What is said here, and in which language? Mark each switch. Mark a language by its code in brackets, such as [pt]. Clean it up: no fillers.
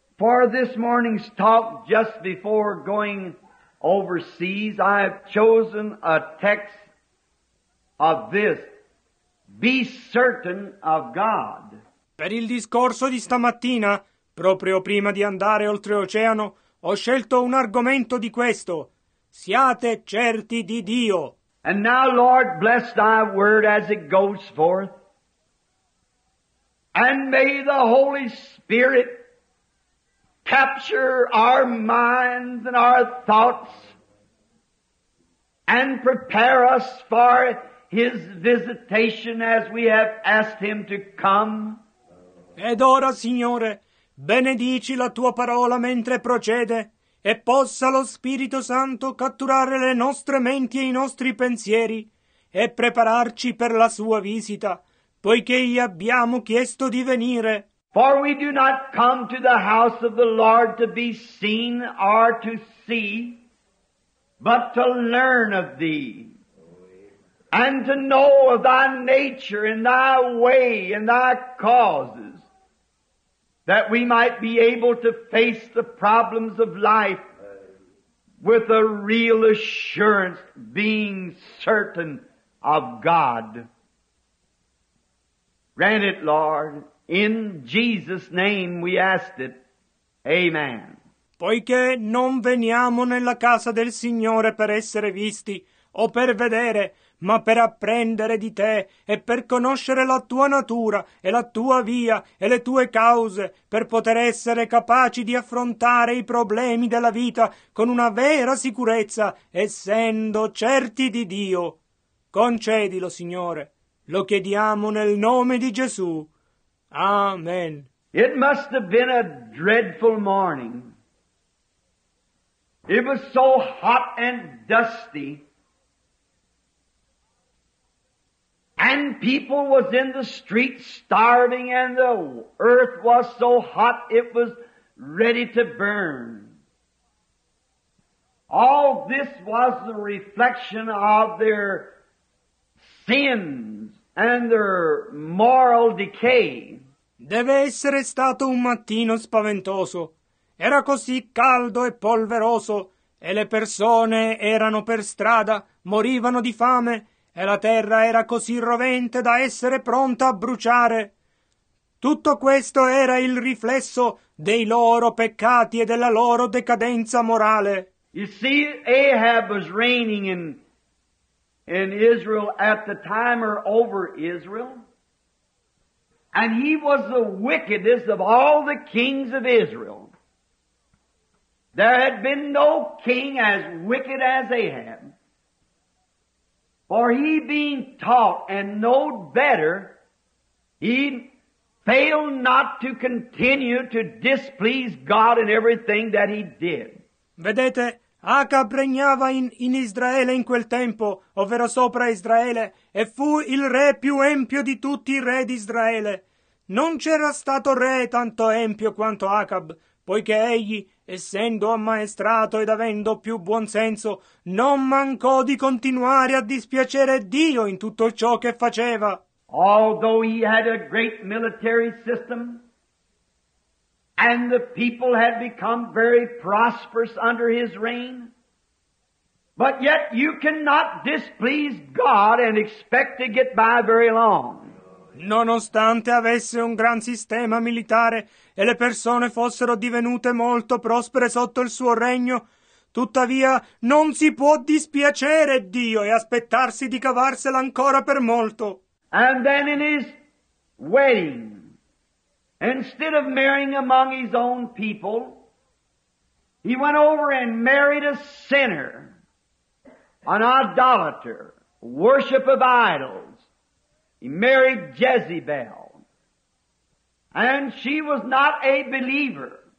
[en] For this morning's talk, just before going overseas, I have chosen a text of this. Be certain of God. [it] Per il discorso di stamattina, proprio prima di andare oltreoceano, ho scelto un argomento di questo. Siate certi di Dio. [en] And now, Lord, bless thy word as it goes forth. And may the Holy Spirit capture our minds and our thoughts and prepare us for His visitation as we have asked Him to come. [it] Ed ora, Signore, benedici la Tua parola mentre procede, e possa lo Spirito Santo catturare le nostre menti e i nostri pensieri, e prepararci per la Sua visita, poiché gli abbiamo chiesto di venire. [en] For we do not come to the house of the Lord to be seen or to see, but to learn of Thee. And to know of thy nature and thy way and thy causes, that we might be able to face the problems of life with a real assurance, being certain of God. Grant it, Lord, in Jesus' name we ask it. Amen. [it] Poiché non veniamo nella casa del Signore per essere visti o per vedere, ma per apprendere di te e per conoscere la tua natura e la tua via e le tue cause, per poter essere capaci di affrontare i problemi della vita con una vera sicurezza, essendo certi di Dio. Concedilo, Signore. Lo chiediamo nel nome di Gesù. Amen. [en] It must have been a dreadful morning. It was so hot and dusty. And people was in the street starving, and the earth was so hot it was ready to burn. All this was the reflection of their sins and their moral decay. [it] Deve essere stato un mattino spaventoso. Era così caldo e polveroso, e le persone erano per strada, morivano di fame, e la terra era così rovente da essere pronta a bruciare. Tutto questo era il riflesso dei loro peccati e della loro decadenza morale. [en] You see, Ahab was reigning in Israel at the time, or over Israel, and he was the wickedest of all the kings of Israel. There had been no king as wicked as Ahab. For he being taught and knowed better, he failed not to continue to displease God in everything that he did. [it] Vedete, Acab regnava in Israele in quel tempo, ovvero sopra Israele, e fu il re più empio di tutti i re d'Israele. Non c'era stato re tanto empio quanto Acab, poiché egli, essendo ammaestrato ed avendo più buon senso, non mancò di continuare a dispiacere Dio in tutto ciò che faceva. [en] Although he had a great military system, and the people had become very prosperous under his reign, but yet you cannot displease God and expect to get by very long. [it] Nonostante avesse un gran sistema militare e le persone fossero divenute molto prospere sotto il suo regno, tuttavia non si può dispiacere Dio e aspettarsi di cavarsela ancora per molto. [en] And then in his wedding, instead of marrying among his own people, he went over and married a sinner, an idolater, worship of idols. He married Jezebel, and she was not a believer.